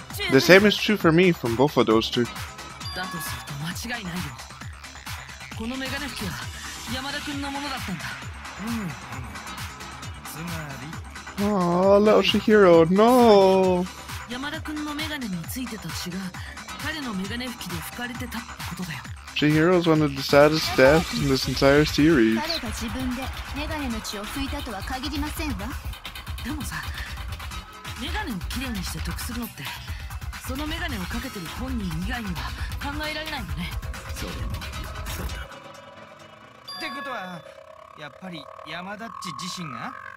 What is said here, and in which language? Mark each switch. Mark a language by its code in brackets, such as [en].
[en] The same is true for me from both of those two. That is not a mistake. This [ja] メガネ拭きは山田君のものだったんだ。つまり、 [en] little Shihiro, no. [ja] 山田君のメガネについてた血が彼のメガネ拭きで拭かれてたってことだよ。 [en] Shihiro is one of the saddest deaths in this entire series. [ja] 彼が自分でメガネの血を拭いたとは限りませんわ。でもさ。メガネをきれいにして得するのってそのメガネをかけてる本人以外には考えられないよね。そうだな。ってことはやっぱり山田っち自身が